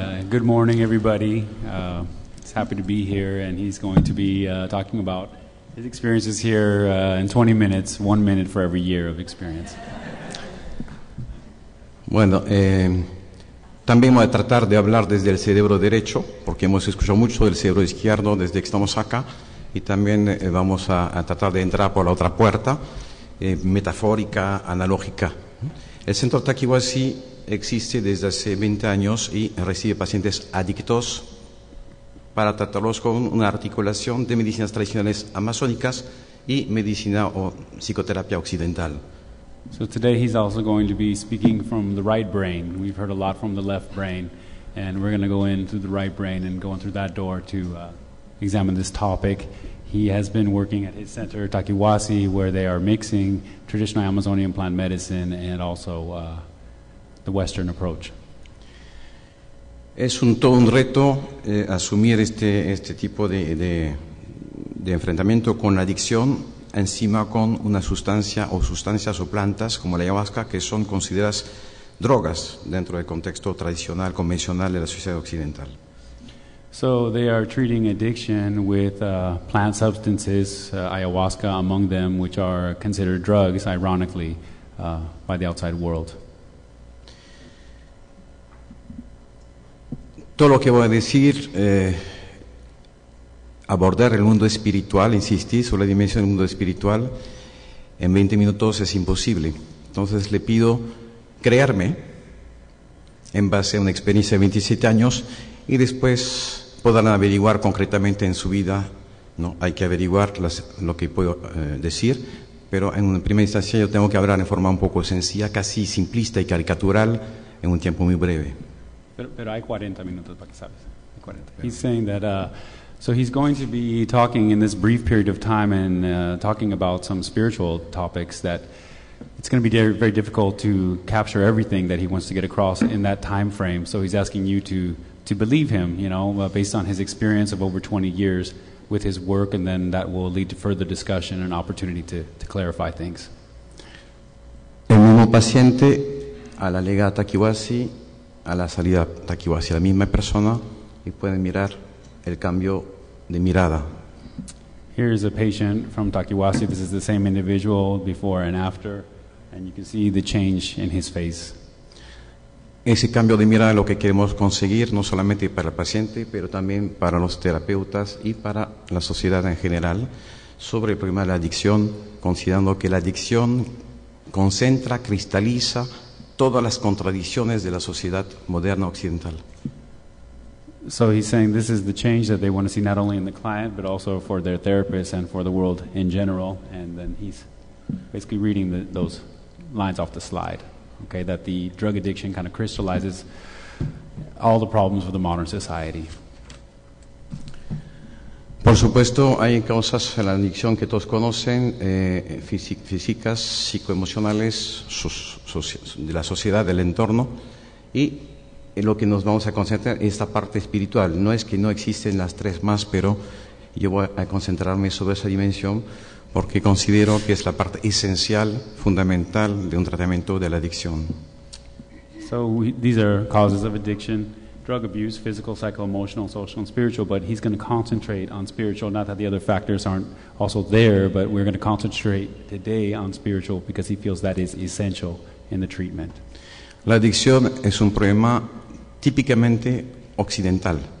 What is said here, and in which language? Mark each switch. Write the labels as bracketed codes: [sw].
[en] Good morning, everybody. He's happy to be here, and he's going to be talking about his experiences here in 20 minutes, 1 minute for every year of experience. [es] Bueno, también voy a tratar de hablar desde el cerebro derecho, porque hemos escuchado mucho del cerebro izquierdo desde que estamos acá, y también vamos a tratar de entrar por la otra puerta, metafórica, analógica. El centro Takiwasi existe desde hace 20 años y recibe pacientes adictos para tratarlos con una articulación de medicinas tradicionales amazónicas y medicina o psicoterapia occidental. [en] So today he's also going to be speaking from the right brain. We've heard a lot from the left brain, and we're going to go in through the right brain and go in through that door to examine this topic. He has been working at his center, Takiwasi, where they are mixing traditional Amazonian plant medicine and also the Western approach. [es] Es un todo un reto asumir este tipo de enfrentamiento con la adicción, encima con una sustancias o plantas, como la ayahuasca, que son consideradas drogas dentro del contexto tradicional, convencional de la sociedad occidental. [en] So they are treating addiction with plant substances, ayahuasca among them, which are considered drugs, ironically, by the outside world. [es] Todo lo que voy a decir, abordar el mundo espiritual, insistir sobre la dimensión del mundo espiritual, en 20 minutos es imposible. Entonces le pido creerme en base a una experiencia de 27 años y después podrán averiguar concretamente en su vida, ¿no? Hay que averiguar lo que puedo decir, pero en primera instancia yo tengo que hablar en forma un poco sencilla, casi simplista y caricatural, en un tiempo muy breve. Pero hay 40 minutos para que sabes. 40. [en] He's saying that, so he's going to be talking in this brief period of time and talking about some spiritual topics that it's going to be very difficult to capture everything that he wants to get across in that time frame. So he's asking you to believe him, you know, based on his experience of over 20 years with his work, and then that will lead to further discussion and opportunity to clarify things. [es] El mismo paciente a la llegada a Takiwasi, a la salida a Takiwasi, la misma persona, y pueden mirar el cambio de mirada. [en] Here is a patient from Takiwasi. This is the same individual before and after, and you can see the change in his face. [es] Ese cambio de mirada es lo que queremos conseguir, no solamente para el paciente, pero también para los terapeutas y para la sociedad en general, sobre el problema de la adicción, considerando que la adicción concentra, cristaliza todas las contradicciones de la sociedad moderna occidental. [en] So he's saying this is the change that they want to see not only in the client, but also for their therapist and for the world in general. And then he's basically reading those lines off the slide. Okay, that the drug addiction kind of crystallizes all the problems of the modern society. [es] Por supuesto, hay causas en la adicción que todos conocen, físicas, psicoemocionales, de la sociedad, del entorno, y en lo que nos vamos a concentrar es esta parte espiritual. No es que no existen las tres más, pero yo voy a concentrarme sobre esa dimensión porque considero que es la parte esencial, fundamental de un tratamiento de la adicción. [en] So these are causes of addiction: drug abuse, physical, psycho-emotional, social, and spiritual. But he's going to concentrate on spiritual. Not that the other factors aren't also there, but we're going to concentrate today on spiritual because he feels that is essential in the treatment. [es] La adicción es un problema típicamente occidental.